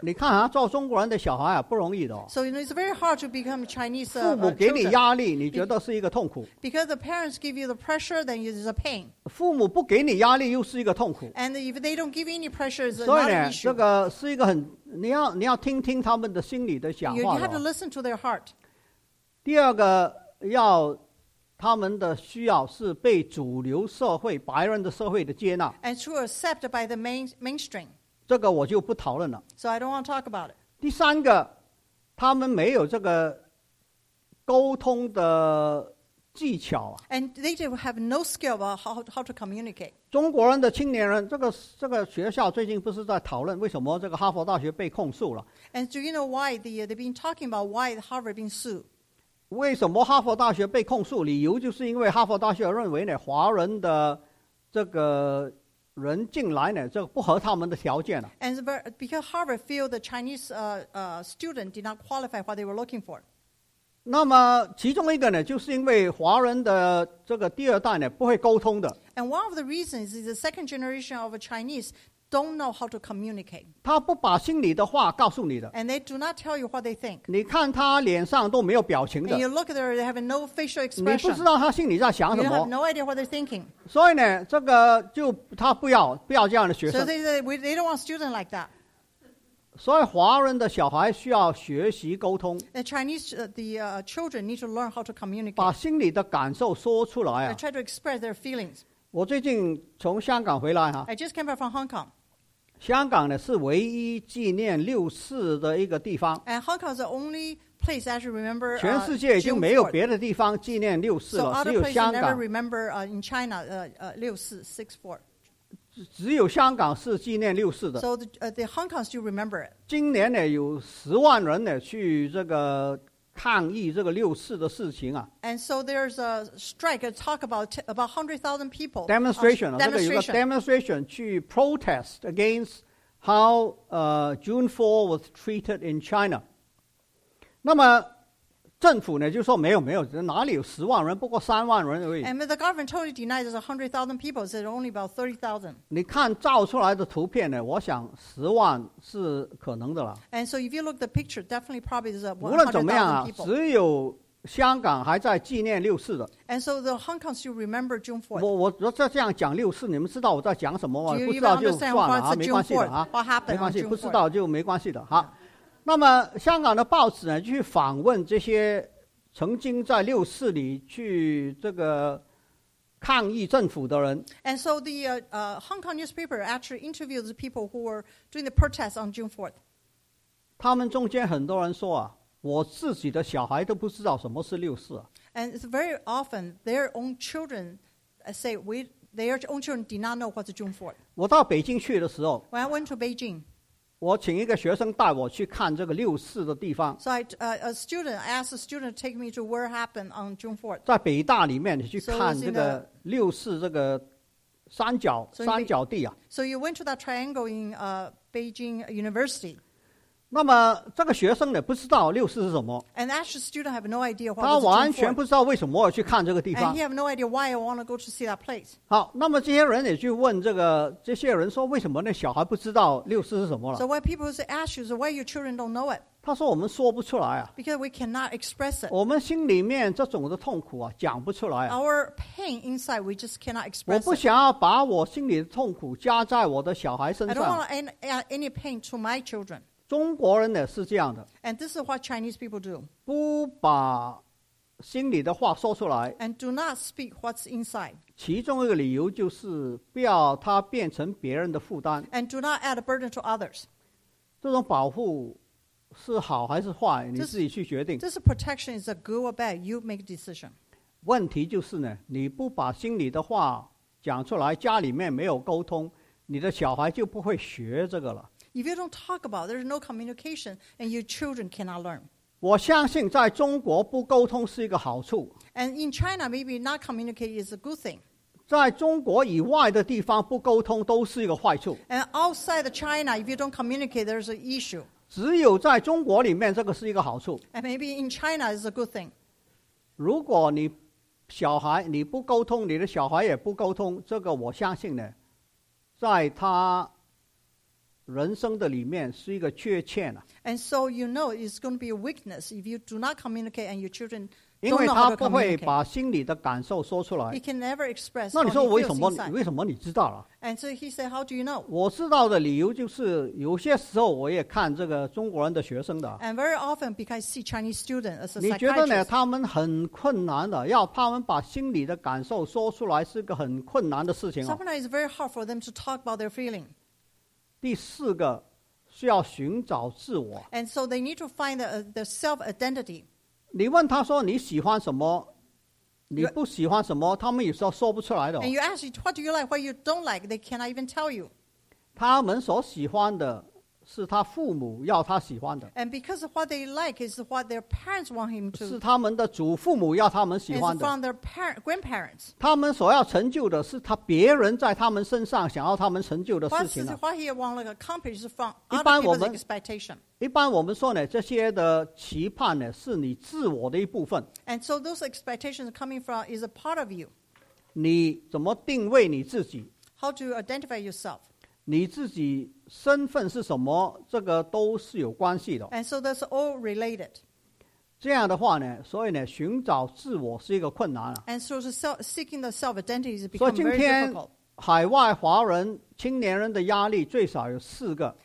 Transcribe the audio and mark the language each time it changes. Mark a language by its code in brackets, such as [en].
[zh] 你看啊做中国人的小孩啊不容易的、哦、 [en] So you know, it's very hard to become Chinese [zh] 父母给你压力你觉得是一个痛苦 [en] Because the parents give you the pressure Then it is a pain [zh] 父母不给你压力又是一个痛苦 [en] And if they don't give any pressure It's not an issue [zh] 所以呢这个是一个很你要听听他们的心里的想法、哦、 [en] You have to listen to their heart [zh] 第二个要他们的需要是被主流社会白人的社会的接纳 [en] and to accept by the mainstream [zh] 这个我就不讨论了 [en] so I don't want to talk about it [zh] 第三个他们没有这个沟通的技巧、啊、 [en] and they do have no skill about how to communicate [zh] 中国人的青年人这个学校最近不是在讨论为什么这个哈佛大学被控诉了 [en] and do you know why they've been talking about why Harvard been sued [zh] 为什么哈佛大学被控诉理由就是因为哈佛大学认为呢华人的这个人进来呢这个不合他们的条件、啊、 [en] And because Harvard feel the Chinese student did not qualify what they were looking for [zh] 那么其中一个呢就是因为华人的这个第二代呢不会沟通的 [en] And one of the reasons is the second generation of Chinese don't know how to communicate. [zh] 他不把心里的话告诉你的。 [en] And they do not tell you what they think. [zh] 你看他脸上都没有表情的。 [en] And you look at them, they have no facial expression. [zh] 你不知道他心里在想什么。 [en] You have no idea what they're thinking. [zh] 所以呢，这个就他不要这样的学生。 [en] So they don't want students like that. [zh] 所以华人的小孩需要学习沟通。 [en] The Chinese, children need to learn how to communicate. [zh] 把心里的感受说出来啊。 [en] They try to express their feelings. [zh] 我最近从香港回来哈。 [en] I just came back from Hong Kong. [zh] 香港呢是唯一纪念六四的一个地方。 [en] And Hong Kong is the only place that I remember. [zh] 全世界已经没有别的地方纪念六四了，只有香港。 [en] So other places never remember in China, 六四 64. [zh] 只有香港是纪念六四的。 [en] So the Hong Kong still remember it. [zh] 今年呢有10万人呢去这个。抗议这个六四的事情啊 [en] ，and so there's a strike. A talk about 100,000 people demonstration. [zh] 这个有个 demonstration 去 [en] protest against how June 4 was treated in China. [zh] 那么政府呢就说没有，哪里有十万人，不过3万人而已。 [en] And the government totally denies there's 100,000 people. Said only about 30,000. [zh] 你看照出来的图片呢，我想10万是可能的了。 [en] And so if you look at the picture, definitely probably there's 100,000 [zh] people. 无论怎么样啊，只有香港还在纪念六四的。 [en] And so the Hong Kong still remember June 4th. [zh] 我再这样讲六四，你们知道我在讲什么吗？不知道就算了啊，没关系的啊，没关系，不知道就没关系的哈。那么香港的报纸呢，去访问这些曾经在六四里去这个。抗议政府的人。 [en] And so the Hong Kong newspaper actually interviewed the people who were doing the protest on June 4th. [zh] 他们中间很多人说啊，我自己的小孩都不知道什么是六四。 [en] And it's very often their own children say their own children did not know what's June 4th. [zh] 我到北京去的时候。 [en] When I went to Beijing. [zh] 我请一个学生带我去看这个六四的地方。 [en] So I asked a student to take me to where happened on June 4th. [zh] 在北大里面去看这个六四这个三角地啊。 [en] So you went to that triangle in Beijing University. [zh] 那么这个学生呢不知道六四是什么。 [en] And actually student have no idea what was June 4th. [zh] 他完全不知道为什么我去看这个地方。 [en] And he have no idea why I want to go to see that place. [zh] 好，那么这些人也去问这些人说为什么那小孩不知道六四是什么了。 [en] So why people say ask you, so why your children don't know it? [zh] 他说我们说不出来啊。 [en] Because we cannot express it. [zh] 我们心里面这种的痛苦啊讲不出来啊。 [en] Our pain inside, we just cannot express it. [zh] 我不想要把我心里的痛苦加在我的小孩身上。 [en] I don't want to add any pain to my children. [zh] 中国人呢是这样的 [en] ，and this is what Chinese people do. [zh] 不把心里的话说出来 [en] ，and do not speak what's inside. [zh] 其中一个理由就是不要它变成别人的负担 [en] ，and do not add a burden to others. [zh] 这种保护是好还是坏，你自己去决定。 [en] This protection is a good or bad. You make a decision. [zh] 问题就是呢，你不把心里的话讲出来，家里面没有沟通，你的小孩就不会学这个了。 [en] If you don't talk about, there's no communication, and your children cannot learn. [zh] 我相信在中国不沟通是一个好处。 [en] And in China, maybe not communicate is a good thing. [zh] 在中国以外的地方不沟通都是一个坏处。 [en] And outside of China, if you don't communicate, there's an issue. [zh] 只有在中国里面这个是一个好处。 [en] And maybe in China is a good thing. [zh] 如果你小孩你不沟通，你的小孩也不沟通，这个我相信呢，在他。人生的里面是一个缺陷啊。 [en] And so you know it's going to be a weakness if you do not communicate and your children don't know how to communicate. [zh] 因为他不会把心里的感受说出来。 [en] He can never express. [zh] 那你说为什么你知道了 [en] ？And so he said, "How do you know?" [zh] 我知道的理由就是有些时候我也看这个中国人的学生的。 [en] And very often because I see Chinese students as a psychiatrist. [zh] 你觉得呢？他们很困难的，要他们把心里的感受说出来是个很困难的事情啊。 [en] Sometimes it's very hard for them to talk about their feeling. [zh] 第四个需要寻找自我。 [en] And so they need to find the self-identity. [zh] 你问他说你喜欢什么，你不喜欢什么，他们有时候说不出来的。 [en] And you ask what do you like, what you don't like, they cannot even tell you. [zh] 他们所喜欢的是他父母要他喜欢的。 [en] And because what they like is what their parents want him to. [zh] 是他们的祖父母要他们喜欢的。 [en] It's from their grandparents. [zh] 他们所要成就的是他别人在他们身上想要他们成就的事情。 [en] What he want to accomplish is from other people's expectation. [zh] 一般我们说呢，这些的期盼呢，是你自我的一部分。 [en] And so those expectations coming from is a part of you. [zh] 你怎么定位你自己 [en] ？How to identify yourself? [zh] 你自己身份是什么，这个都是有关系的。 [en] And so that's all related. [zh] 这样的话呢，所以呢，寻找自我是一个困难啊。 [en] And so seeking the self-identity has become very difficult. [zh] 所以今天海外华人青年人的压力最少有四个。